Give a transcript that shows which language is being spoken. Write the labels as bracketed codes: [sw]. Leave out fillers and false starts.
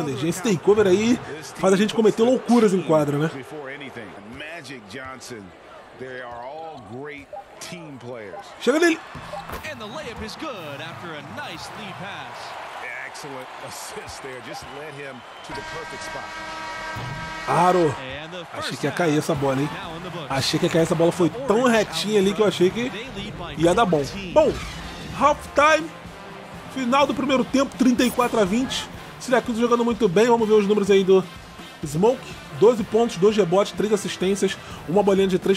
[pt] Esse takeover aí faz a gente cometer loucuras em quadra, né? [en] Magic Johnson. They are all great team players. [pt] Chega nele. [en] And the layup is good after a nice lead pass. Excellent assist there. Just led him to the perfect spot. [pt] Aro. Achei que ia cair essa bola, hein? Foi tão retinha ali que eu achei que ia dar bom. Bom, half time. Final do primeiro tempo, 34 a 20. Syracuse jogando muito bem. Vamos ver os números aí do Smoke. 12 pontos, 2 rebotes, 3 assistências, uma bolinha de 3.